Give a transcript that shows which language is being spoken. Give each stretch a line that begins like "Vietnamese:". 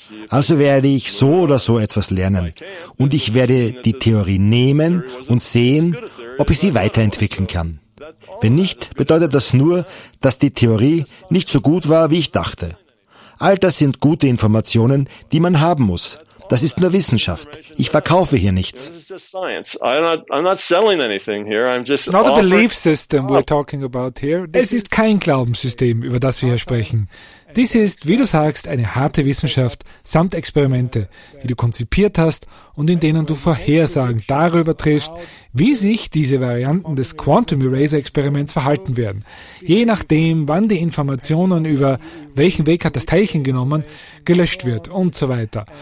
German: Also werde ich so oder so etwas lernen. Und ich werde die Theorie nehmen und sehen, ob ich sie weiterentwickeln kann. Wenn nicht, bedeutet das nur, dass die Theorie nicht so gut war, wie ich dachte. All das sind gute Informationen, die man haben muss. Das ist nur Wissenschaft. Ich verkaufe hier nichts.
English: Not a belief system we're talking about here.
German: Es ist kein Glaubenssystem, über das wir hier sprechen. Dies ist, wie du sagst, eine harte Wissenschaft samt Experimente, die du konzipiert hast und in denen du Vorhersagen darüber triffst, wie sich diese Varianten des Quantum Eraser Experiments verhalten werden. Je nachdem, wann die Informationen über welchen Weg hat das Teilchen genommen, gelöscht wird und so weiter.